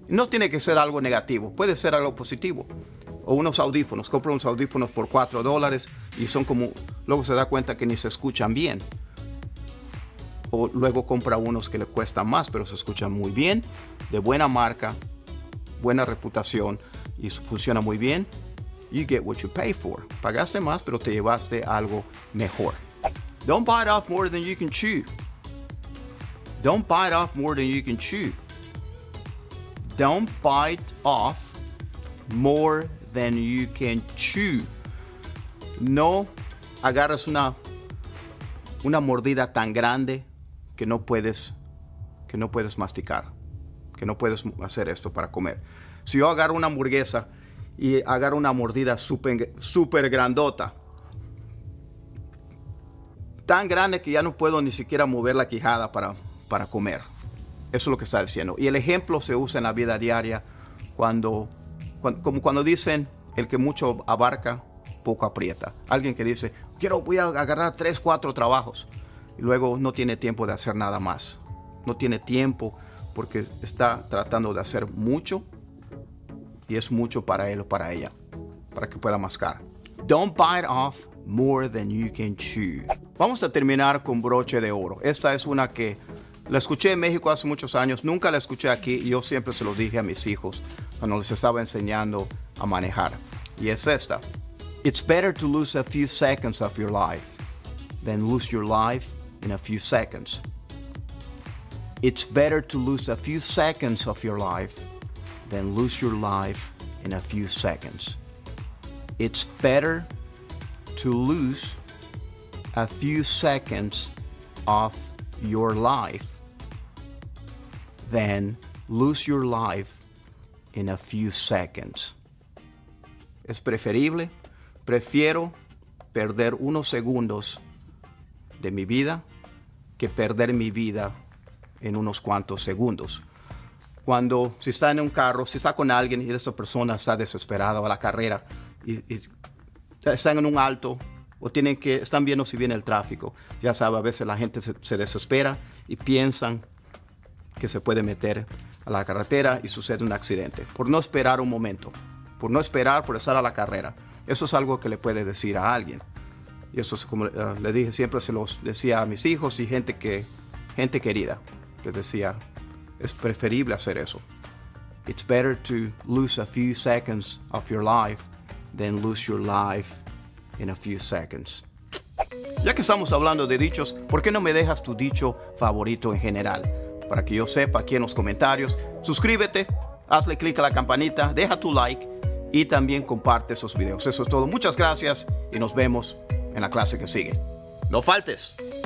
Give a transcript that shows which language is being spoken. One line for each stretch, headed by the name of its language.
Spanish: No tiene que ser algo negativo, puede ser algo positivo. O unos audífonos, compra unos audífonos por $4 y son como, luego se da cuenta que ni se escuchan bien. O luego compra unos que le cuestan más, pero se escuchan muy bien, de buena marca, buena reputación y funciona muy bien.
English: You get what you pay for.
Spanish: Pagaste más, pero te llevaste algo mejor.
English: Don't bite off more than you can chew. Don't bite off more than you can chew. Don't bite off more than you can chew.
Spanish: No agarras una mordida tan grande que no puedes masticar, que no puedes hacer esto para comer. Si yo agarro una hamburguesa y agarro una mordida super, super grandota, tan grande que ya no puedo ni siquiera mover la quijada para comer. Eso es lo que está diciendo. Y el ejemplo se usa en la vida diaria cuando dicen, el que mucho abarca, poco aprieta. Alguien que dice, voy a agarrar 3-4 trabajos. Y luego no tiene tiempo de hacer nada más. No tiene tiempo porque está tratando de hacer mucho. Y es mucho para él o para ella, para que pueda mascar.
English: Don't bite off more than you can chew.
Spanish: Vamos a terminar con broche de oro. Esta es una que la escuché en México hace muchos años. Nunca la escuché aquí. Yo siempre se lo dije a mis hijos cuando les estaba enseñando a manejar. Y es esta.
English: It's better to lose a few seconds of your life than lose your life in a few seconds. It's better to lose a few seconds of your life than lose your life in a few seconds. It's better to lose a few seconds of your life than lose your life in a few seconds.
Spanish: Es preferible, prefiero perder unos segundos de mi vida que perder mi vida en unos cuantos segundos. Cuando, si está en un carro, si está con alguien y esa persona está desesperada o a la carrera y están en un alto o tienen que, están viendo si viene el tráfico. Ya sabe, a veces la gente se desespera y piensan que se puede meter a la carretera y sucede un accidente. Por no esperar un momento, por no esperar, por estar a la carrera. Eso es algo que le puede decir a alguien. Y eso es como le dije, siempre se los decía a mis hijos y gente querida. Les decía, es preferible hacer eso.
English: It's better to lose a few seconds of your life than lose your life in a few seconds.
Spanish: Ya que estamos hablando de dichos, ¿por qué no me dejas tu dicho favorito en general? Para que yo sepa aquí en los comentarios. Suscríbete, hazle click a la campanita, deja tu like y también comparte esos videos. Eso es todo. Muchas gracias y nos vemos en la clase que sigue. ¡No faltes!